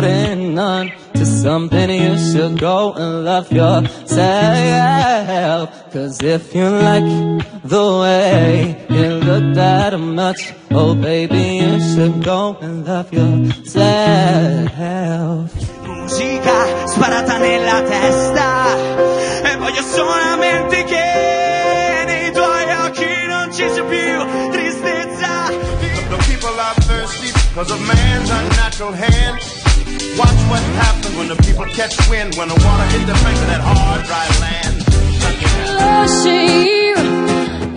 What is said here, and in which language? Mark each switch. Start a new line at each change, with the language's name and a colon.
English: Something you should go and love yourself. Cause if you like the way you look that much, oh baby, you should go and love yourself.
Italian: Musica sparata nella testa, e voglio solamente che nei tuoi occhi non ci sia più tristezza.
English: The people are thirsty cause a man's unnatural hand. Watch what happens when the people catch wind, when the water hit the banks of that hard, dry land.